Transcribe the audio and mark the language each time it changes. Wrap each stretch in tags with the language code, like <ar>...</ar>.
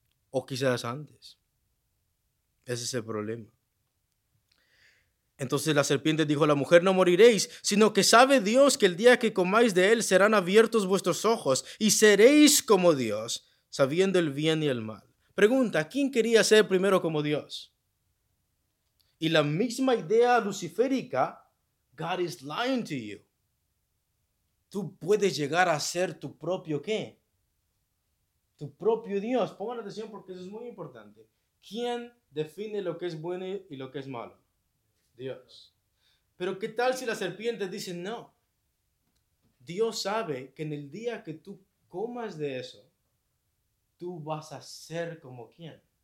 <es>O quizás antes. Ese es el problema. Entonces la serpiente dijo a la mujer, no moriréis, sino que sabe Dios que el día que comáis de él serán abiertos vuestros ojos y seréis como Dios, sabiendo el bien y el mal. Pregunta, ¿quién quería ser primero como Dios? Y la misma idea luciférica,</es> <en>God is lying to you.</en> <es>Tú puedes llegar a ser tu propio ¿qué? Tu propio Dios. Pongan atención porque eso es muy importante. ¿Quién define lo que es bueno y lo que es malo? Dios. Pero ¿qué tal si la serpiente dice no? Dios sabe que en el día que tú comas de eso, tú vas a ser como quien.</es>